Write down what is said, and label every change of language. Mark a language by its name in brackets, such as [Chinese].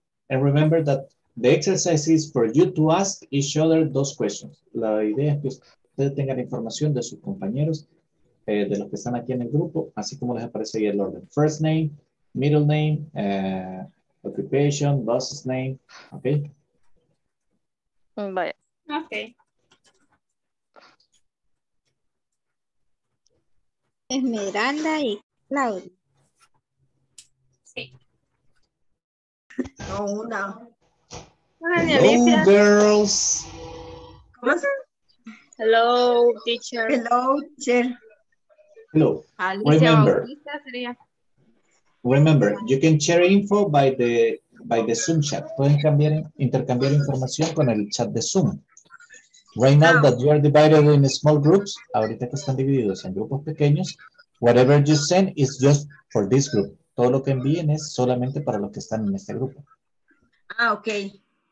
[English] And remember that the exercise is for you to ask each other those questions. [Spanish] La idea es que ustedes tengan información de sus compañeros, de los que están aquí en el grupo, así como les aparece ahí el orden. [English] First name, middle name, occupation, boss's name, ok. [Spanish] Vaya. [English] Ok. [Spanish] Esmeralda y Claudia. Sí. No, una. [English] Hello, Alicia. Girls. [Spanish] ¿Cómo están? [English] Hello, teacher. Hello, teacher. Hello. Alicia, remember. [Spanish] Sería. [English] Remember, you can share info by the Zoom chat. [Spanish] Pueden cambiar, intercambiar información con el chat de Zoom. [English] Right now that you are divided in small groups, [Spanish] ahorita que están divididos en grupos pequeños, [English] whatever you send is just for this group. [Spanish] Todo lo que envíen es solamente para los que están en este grupo. [English] Ah, okay.